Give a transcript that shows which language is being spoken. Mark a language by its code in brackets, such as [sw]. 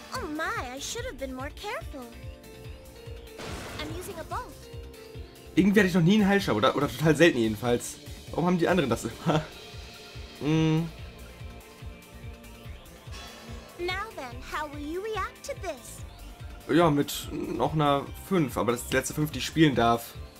[en] Oh my, I should have been more careful. I'm using a bolt. [de] Irgendwie hatte ich noch nie einen Heilschirm, oder total selten jedenfalls. Warum haben die anderen das immer? [en] Now then, how will you react to this? [de] Ja, mit noch einer 5, aber das ist die letzte 5, die ich spielen darf.